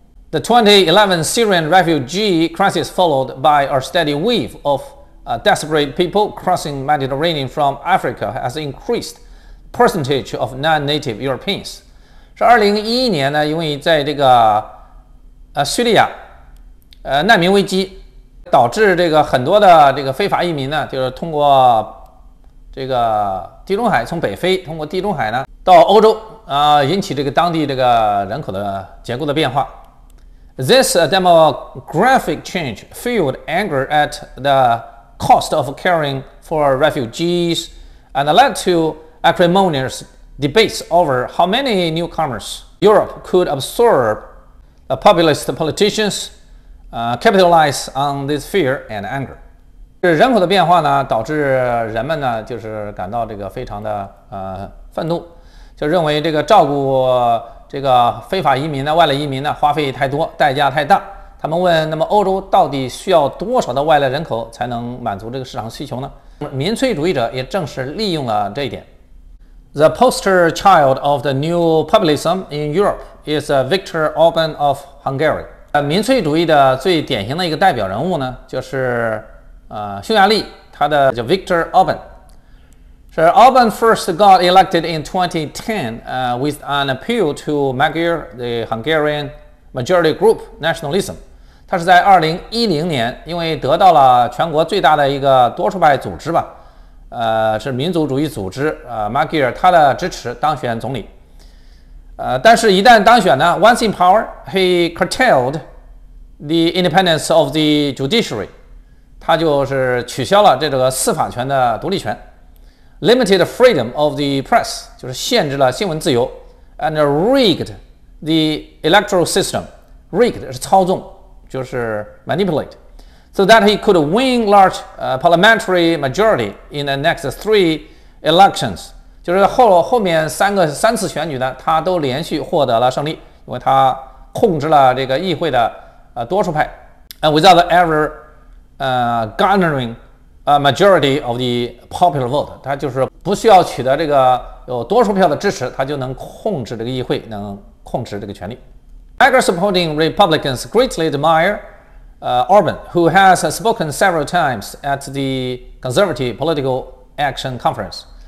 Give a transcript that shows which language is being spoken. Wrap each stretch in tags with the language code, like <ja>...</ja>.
<en>The 2011 Syrian refugee crisis followed by a steady wave of desperate people crossing Mediterranean from Africa has increased. Percentage of non-native Europeans</en> <zh>是2011年呢，因为在这个叙利亚难民危机，导致这个很多的这个非法移民呢，就是通过这个地中海，从北非通过地中海呢到欧洲引起这个当地这个人口的结构的变化。</zh> <en>This demographic change fueled anger at the cost of caring for refugees and led toAcrimonious debates over how many newcomers Europe could absorb populist politicians capitalize on this fear and anger.</en> <zh>人口的变化呢，导致人们呢，就是感到这个非常的愤怒，就认为这个照顾这个非法移民呢，外来移民呢，花费太多，代价太大。他们问，那么欧洲到底需要多少的外来人口才能满足这个市场需求呢？民粹主义者也正是利用了这一点。</zh> <en>The poster child of the new populism in Europe is Viktor Orban of Hungary.</en> <zh>民粹主义的最典型的一个代表人物呢，就是匈牙利，他的叫 Viktor Orban。</zh> <en>是 Orban first got elected in 2010, with an appeal to Magyar, the Hungarian majority group nationalism.</en> <zh>他是在2010年，因为得到了全国最大的一个多数派组织吧。是民族主义组织Magyar 他的支持当选总理。但是一旦当选呢，</zh> <en>once in power, he curtailed the independence of the judiciary.</en> <zh>他就是取消了这个司法权的独立权。</zh> <en>Limited freedom of the press,</en> <zh>就是限制了新闻自由。</zh> <en>And rigged the electoral system. Rigged</en> <zh>是操纵，就是</zh> <en>manipulate. So that he could win large parliamentary majority in the next three elections.</en> <zh>就是 后面三次选举呢，他都连续获得了胜利，因为他控制了这个议会的多数派。</zh> <en>And without ever garnering a majority of the popular vote.</en> <zh>他就是不需要取得这个有多数票的支持，他就能控制这个议会，能控制这个权力。</zh> <en>Magyar supporting Republicans greatly admire. Orban, who has spoken several times at the Conservative Political Action Conference.</en>